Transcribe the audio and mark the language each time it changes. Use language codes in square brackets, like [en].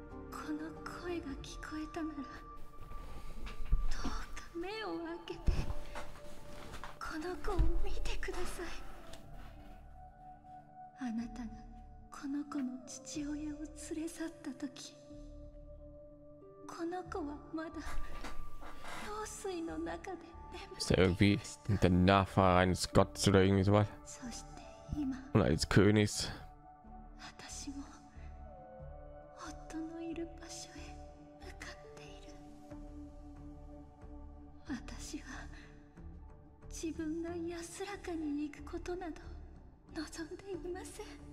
[ja] この声が聞こえたならどうか目を開けてこの子を見てください。あなたがこの子の父親を連れ去った時、この子はまだ老衰の中で眠っていた。そして今、 [de] eines Gottes oder irgendwie sowas. [ja] そして今、 [de] oder eines Königs. [ja] 私も夫のいる場所へ向かっている。私は自分が安らかに行くことなど望んでいません。